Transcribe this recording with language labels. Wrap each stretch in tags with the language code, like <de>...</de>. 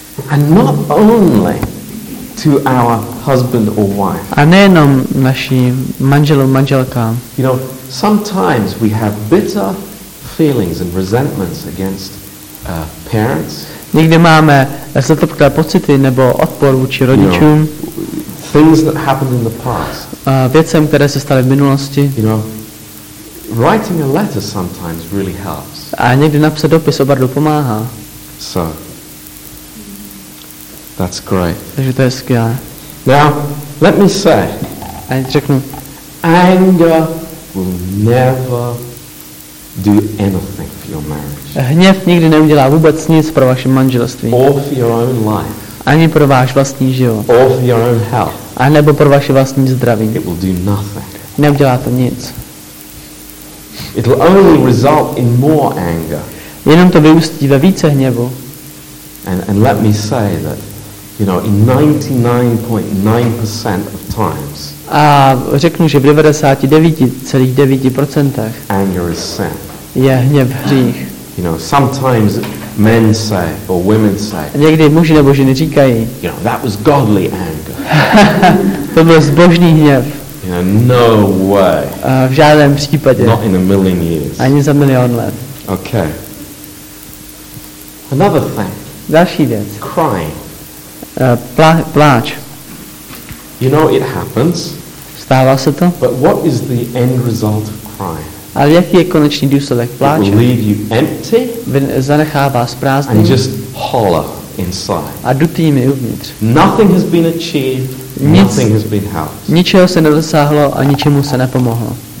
<en>And not only to our husband or wife.</en> <cs>A nejenom naší manželům, manželkám.</cs> <en>You know, sometimes we have bitter feelings and resentments against parents.</en> <cs>Někdy máme zatopklé pocity nebo odpor vůči rodičům.</cs> <en>Things that happened in the past.</en> <cs>Věcem, které se staly v minulosti.</cs> <en>You know, writing a letter sometimes really helps.</en> <cs>A někdy napsat dopis opravdu pomáhá.</cs> <en>So. That's great.</en> <cs>Takže to je skvělé.</cs> <en>Now, let me say.</en> <cs>A řeknu.</cs> <en>Anger will never do anything for your marriage.</en> <cs>Hněv nikdy neudělá vůbec nic pro vaše manželství.</cs> <en>Or for your own life.</en> <cs>Ani pro váš vlastní život.</cs> <en>Or for your own health.</en> <cs>A nebo pro vaše vlastní zdraví.</cs> <en>It will do nothing.</en> <cs>Neudělá to nic.</cs> <en>It will only result in more anger.</en> <cs>Jenom to vyústí ve více hněvu.</cs> <en>And let me say that, you know, in 99.9% of times.</en> <cs>A řeknu, že v 99,9%</cs> <en>anger is sin.</en> <cs>Je hněv hřích.</cs> <en>You know, sometimes men say or women say.</en> <cs>Někdy muži nebo ženy říkají.</cs> <en>You know, that was godly anger.</en> <cs>To byl zbožný hněv.</cs> <en>You know, no way.</en> <cs>V žádném případě.</cs> <en>Not in a million years.</en> <cs>Ani za milion let.</cs> <en>Okay. Another thing.</en> <cs>Další věc.</cs> <en>Crying.</en> <cs>Pláč.</cs> <en>You know it happens.</en> <cs>Stává se to.</cs> <en>But what is the end result of crying?</en> <cs>Ale jaký je konečný důsledek pláče?</cs> <en>It will leave you empty.</en> <cs>Zanechá vás prázdný.</cs> <en>And just hollow inside.</en> <cs>A dutými uvnitř.</cs> <en>Nothing has been achieved. Nothing has been helped.</en> <cs>Ničeho se nedosáhlo a ničemu se nepomohlo.</cs>